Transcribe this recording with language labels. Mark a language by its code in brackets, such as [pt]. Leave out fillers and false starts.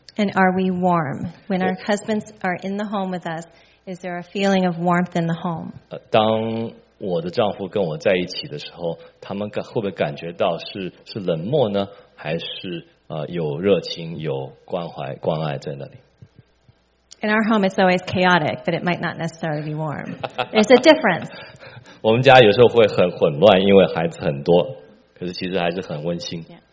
[en] ？And are we warm when our husbands are in the home with us? Is there a feeling of warmth in the home? [zh] 当我的丈夫跟我在一起的时候，他们会不会感觉到是冷漠呢？还是有热情、有关怀、关爱在那里？ [en] In our home, it's always chaotic, but it might not necessarily be warm. There's a difference. [zh] 我们家有时候会很混乱，因为孩子很多，可是其实还是很温馨。